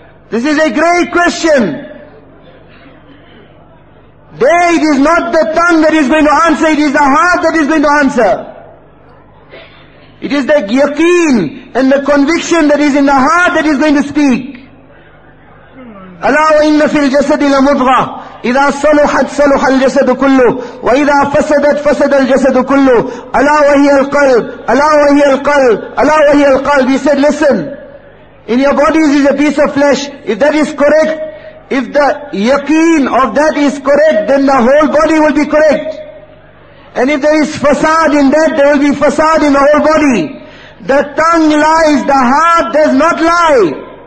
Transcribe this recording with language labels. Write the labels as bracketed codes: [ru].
[en] This is a great question. There it is not the tongue that is going to answer, it is the heart that is going to answer. It is the yaqeen and the conviction that is in the heart that is going to speak. [ar] Allah wa inna fil jasad la mudgha. إذا صلحت صلح الجسد كله وإذا فسدت فسد الجسد كله ألا وهي القلب ألا وهي القلب ألا وهي القلب. [en] He said, listen, in your bodies is a piece of flesh. If that is correct, if the yaqeen of that is correct, then the whole body will be correct. And if there is fasad in that, there will be fasad in the whole body. The tongue lies, the heart does not lie.